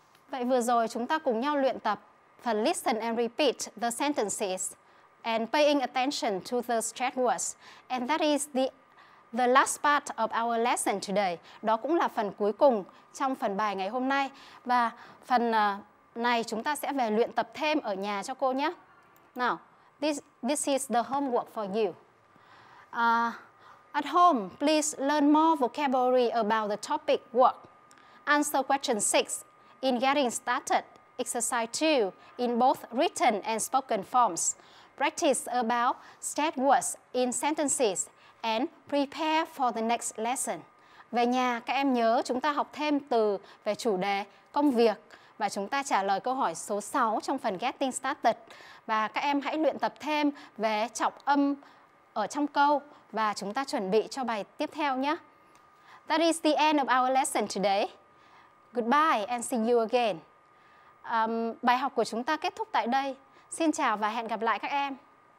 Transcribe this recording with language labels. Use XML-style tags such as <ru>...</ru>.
<vi>Vậy vừa rồi chúng ta cùng nhau luyện tập phần</vi> <en>listen and repeat the sentences and paying attention to the stress words. And that is the last part of our lesson today.</en> <vi>Đó cũng là phần cuối cùng trong phần bài ngày hôm nay. Và phần này chúng ta sẽ về luyện tập thêm ở nhà cho cô nhé.</vi> <en>Now, this is the homework for you. At home, please learn more vocabulary about the topic work. Answer question 6 in getting started. Exercise 2 in both written and spoken forms. Practice about stress words in sentences and prepare for the next lesson.</en> <vi>Về nhà, các em nhớ chúng ta học thêm từ về chủ đề công việc và chúng ta trả lời câu hỏi số 6 trong phần getting started. Và các em hãy luyện tập thêm về trọng âm ở trong câu và chúng ta chuẩn bị cho bài tiếp theo nhé.</vi> <en>That is the end of our lesson today. Goodbye and see you again.</en> <vi>Bài học của chúng ta kết thúc tại đây. Xin chào và hẹn gặp lại các em.</vi>